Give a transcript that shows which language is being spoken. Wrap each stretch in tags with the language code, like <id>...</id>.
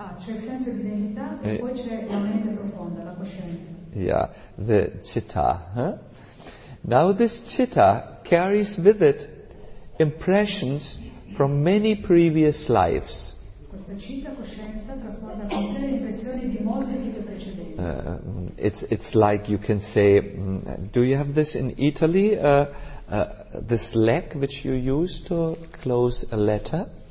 <it>C'è il senso di identità, e poi c'è la mente profonda, la coscienza.</it> <en>Yeah, the citta. Huh? Now this citta carries with it impressions from many previous lives.</en> <it>Questa citta coscienza trasporta con sé le impressioni di molte vite precedenti.</it> <en>It's like you can say, do you have this in Italy? This leg which you use to close a letter.</en>